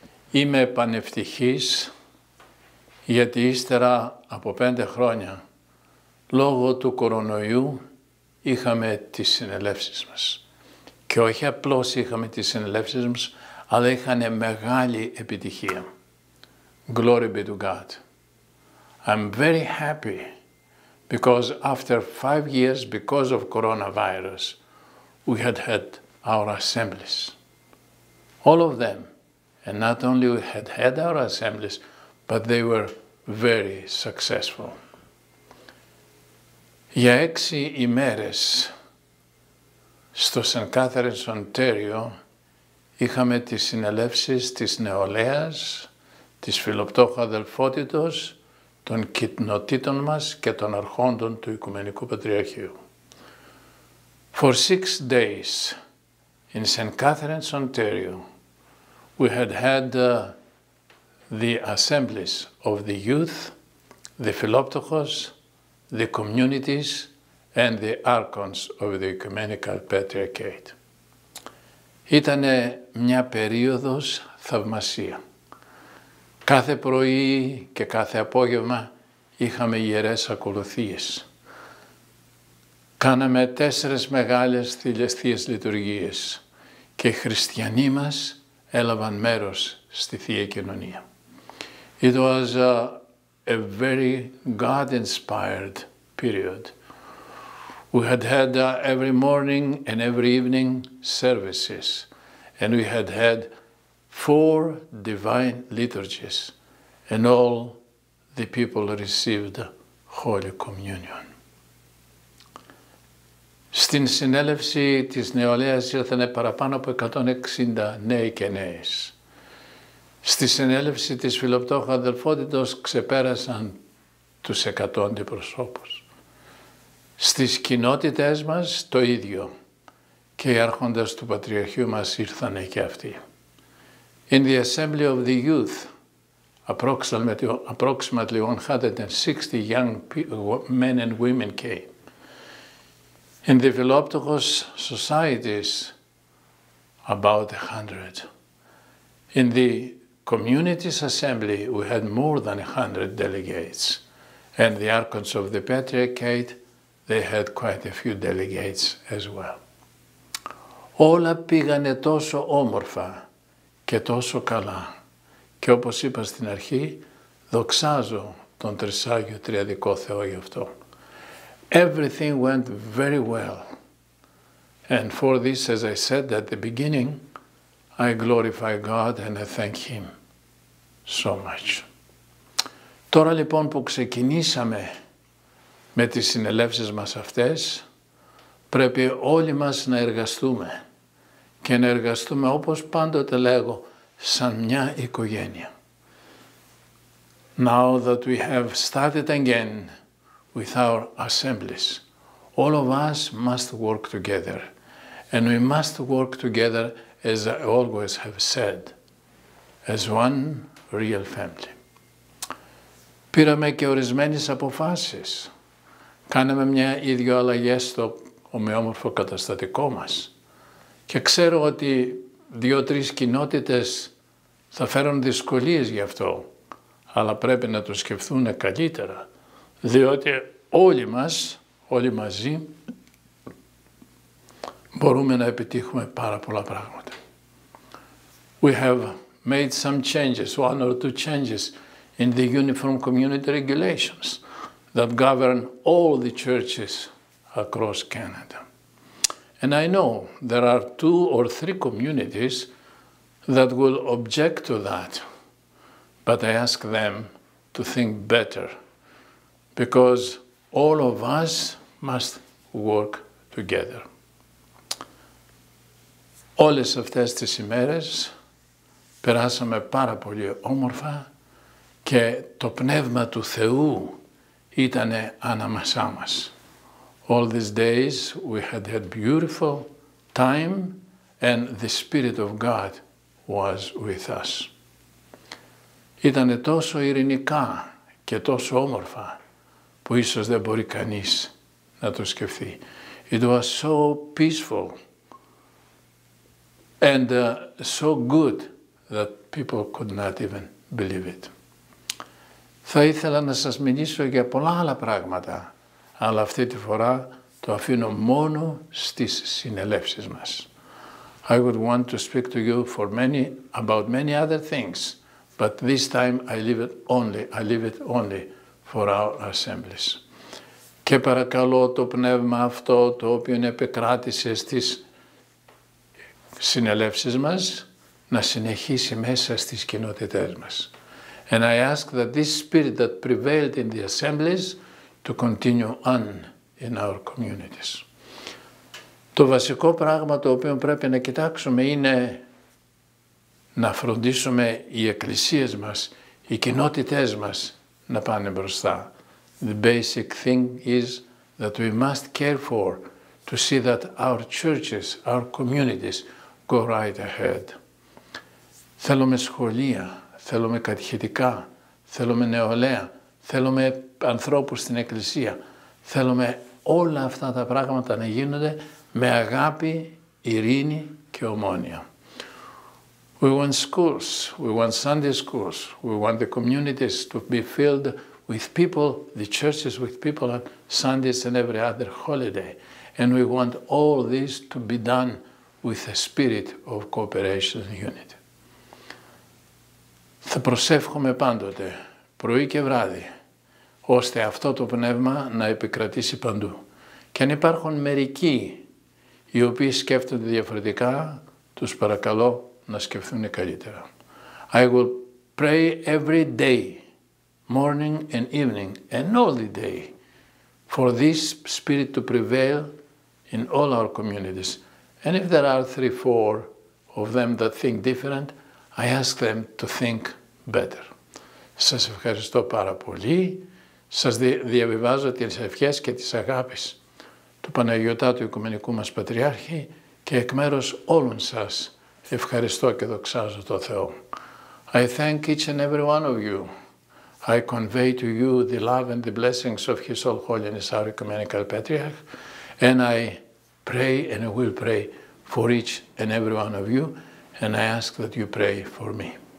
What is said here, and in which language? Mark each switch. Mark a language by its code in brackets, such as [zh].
[el] Είμαι πανευτυχής γιατί ύστερα από 5 χρόνια λόγω του κορονοϊού είχαμε τις συνελεύσεις μας. Και όχι απλώς είχαμε τις συνελεύσεις μας, αλλά είχαν μεγάλη επιτυχία. [en] Glory be to God. I'm very happy because after 5 years, because of coronavirus, we had had our assemblies. All of them. And not only we had had our assemblies, but they were very successful. [el] Για 6 ημέρες στο St. Catharines, Ontario, είχαμε τις συνελεύσεις της νεολαίας, της φιλοπτώχου αδελφότητος, των κοινοτήτων μας και των αρχόντων του Οικουμενικού Πατριαρχείου. [en] For 6 days in St. Catharines, Ontario, we had had the assemblies of the youth, the φιλόπτωχος, the communities, and the archons of the Οικουμενικού Πατριαρχείου. [el] Ήτανε μια περίοδος θαυμασία. Κάθε πρωί και κάθε απόγευμα είχαμε ιερές ακολουθίες. Κάναμε 4 μεγάλες θυλιαστίες λειτουργίες και οι χριστιανοί μας έλαβαν μέρος στη Θεία Κοινωνία. [en] It was a very God-inspired period. We had had every morning and every evening services, and we had had 4 divine liturgies, and all the people received Holy Communion. [el] Στην συνέλευση της νεολαίας ήρθαν παραπάνω από 160 νέοι και νέες. Στη συνέλευση της φιλοπτώχου αδελφότητος ξεπέρασαν τους 100 αντιπροσώπους. Στις κοινότητές μας το ίδιο, και οι άρχοντες του Πατριαρχείου μας ήρθανε και αυτοί. [en] In the assembly of the youth, approximately 160 young men and women came. In the φιλόπτωχος societies, about 100. In the communities assembly, we had more than 100 delegates. And the archons of the Patriarchate, they had quite a few delegates as well. [el] Όλα πήγανε τόσο όμορφα και τόσο καλά. Και όπως είπα στην αρχή, δοξάζω τον Τρισάγιο Τριαδικό Θεό γι' αυτό. [en] Everything went very well. And for this, as I said at the beginning, I glorify God and I thank Him so much. [el] Τώρα λοιπόν που ξεκινήσαμε με τις συνελεύσεις μας αυτές, πρέπει όλοι μας να εργαστούμε και να εργαστούμε, όπως πάντοτε λέγω, σαν μια οικογένεια. [en] Now that we have started again with our assemblies, all of us must work together. And we must work together, as I always have said, as one real family. [el] Πήραμε και ορισμένες αποφάσεις. Κάναμε μια ή δυο αλλαγές στο ομοιόμορφο καταστατικό μας. Και ξέρω ότι δύο-τρεις κοινότητες θα φέρουν δυσκολίες γι' αυτό, αλλά πρέπει να το σκεφτούν καλύτερα, διότι όλοι μας, όλοι μαζί, μπορούμε να επιτύχουμε πάρα πολλά πράγματα. [en] We have made some changes, one or two changes, in the Uniform Community Regulations that govern all the churches across Canada. And I know there are two or three communities that will object to that, but I ask them to think better, because all of us must work together. [el] Όλες αυτές τις ημέρες περάσαμε πάρα πολύ όμορφα και το Πνεύμα του Θεού ήταν ανάμεσά μας. [en] All these days we had a beautiful time and the Spirit of God was with us. [el] Ήταν τόσο ειρηνικά και τόσο όμορφα που ίσως δεν μπορεί κανείς να το σκεφτεί. [en] It was so peaceful and so good that people could not even believe it. [el] Θα ήθελα να σας μιλήσω για πολλά άλλα πράγματα, αλλά αυτή τη φορά το αφήνω μόνο στις συνελεύσεις μας. [en] I would want to speak to you for many about many other things, but this time I leave it only for our assemblies. [el] Και παρακαλώ το Πνεύμα αυτό το οποίο επικράτησε στις συνελεύσεις μας να συνεχίσει μέσα στις κοινότητές μας. [en] And I ask that this spirit that prevailed in the assemblies to continue on in our communities. [el] Το βασικό πράγμα το οποίο πρέπει να κοιτάξουμε είναι να φροντίσουμε οι εκκλησίες μας, οι κοινότητές μας να πάνε μπροστά. [en] The basic thing is that we must care for to see that our churches, our communities go right ahead. [el] Θέλουμε σχολεία, θέλουμε κατηχητικά, θέλουμε νεολαία, θέλουμε ανθρώπους στην εκκλησία. Θέλουμε όλα αυτά τα πράγματα να γίνονται με αγάπη, ειρήνη και ομόνοια. [en] We want schools, we want Sunday schools, we want the communities to be filled with people, the churches with people on Sundays and every other holiday. And we want all this to be done with a spirit of cooperation and unity. [el] Θα προσεύχομαι πάντοτε, πρωί και βράδυ, ώστε αυτό το Πνεύμα να επικρατήσει παντού. Και αν υπάρχουν μερικοί οι οποίοι σκέφτονται διαφορετικά, τους παρακαλώ να σκεφτούν καλύτερα. [en] I will pray every day, morning and evening, and all the day, for this spirit to prevail in all our communities. And if there are 3-4 of them that think different, I ask them to think better. [el] Σας ευχαριστώ πάρα πολύ. Σας διαβιβάζω τις ευχές και τις αγάπες του Παναγιωτάτου Οικουμενικού μας Πατριάρχη και εκ μέρους όλων σας ευχαριστώ και δοξάζω τον Θεό. [en] I thank each and every one of you. I convey to you the love and the blessings of His All Holiness, our Ecumenical Patriarch, and I pray and I will pray for each and every one of you, and I ask that you pray for me.